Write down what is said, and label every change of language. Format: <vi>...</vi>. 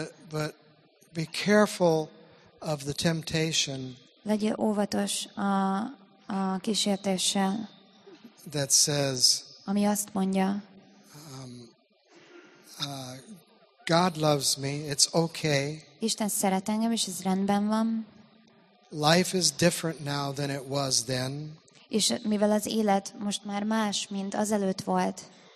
<en>But be careful of the temptation.</en> <hu>Legyél óvatos a kísértéssel.</hu> <en>That says.</en> <hu>Ami azt mondja.</hu> <en>God loves me. It's okay.</en> <hu>Isten szeret engem, és ez rendben van.</hu> <en>Life is different now than it was then.</en> <hu>És mivel az élet most már más, mint azelőtt volt.</hu>